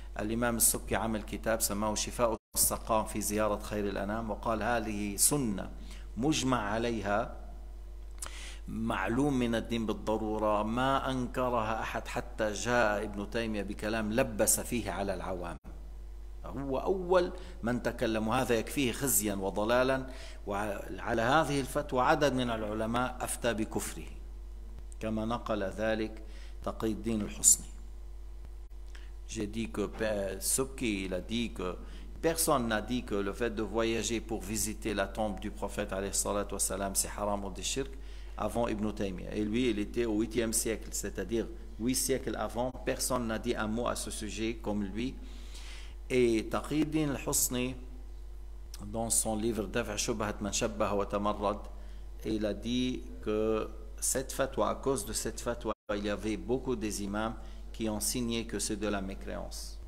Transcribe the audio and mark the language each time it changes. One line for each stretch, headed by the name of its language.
French: L'imam Subki a fait un kitab s'appelle
Arabic: Shifa al-Saqam fi ziyarat khayr al-anam wa qala hadhihi sunnah mujma' 'alayha معلوم من الدين بالضرورة ما أنكرها أحد حتى جاء ابن تيمية بكلام لبس فيه على العوام. هو أول من تكلم، وهذا يكفيه خزيا وضلالا، وعلى هذه الفتوى عدد من العلماء أفتى بكفره كما نقل ذلك تقي الدين الحسني.
French: J'ai dit que Subki, il a dit que personne n'a dit que le fait de voyager pour visiter la tombe du prophète
Arabic: عليه الصلاة والسلام
French: c'est haram ou des shirk avant Ibn Taymiyyah. Et lui, il était au 8e siècle, c'est-à-dire 8 siècles avant. Personne n'a dit un mot à ce sujet comme lui. Et Taqiyuddin al-Husni, dans son livre Daf'a Shubhat Man Shabbaha wa Tamarrad, il a dit que cette fatwa, à cause de cette fatwa, il y avait beaucoup des imams qui ont signé que c'est de la mécréance.